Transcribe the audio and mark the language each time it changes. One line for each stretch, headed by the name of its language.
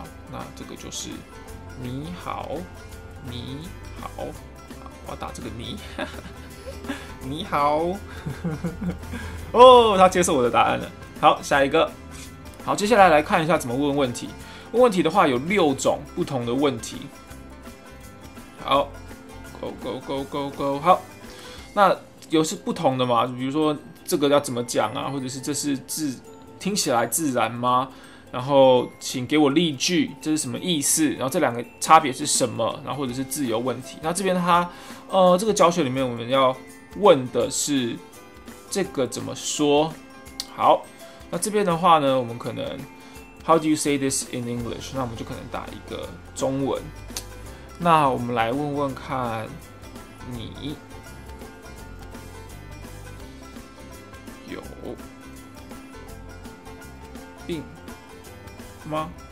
Chinese: 那这个就是你好，你好，我要打这个你，你好，哦，他接受我的答案了。好，下一个，好，接下来来看一下怎么问问题。问问题的话有六种不同的问题。好 ，Go Go Go Go Go， 好，那有是不同的嘛？比如说这个要怎么讲啊？或者是这是字听起来自然吗？然后请给我例句，这是什么意思？然后这两个差别是什么？然后或者是自由问题。那这边它，这个教学里面我们要问的是这个怎么说？好，那这边的话呢，我们可能
English: How do you say this in English？
Chinese: 那我们就可能打一个中文。那我们来问问看，你有病吗？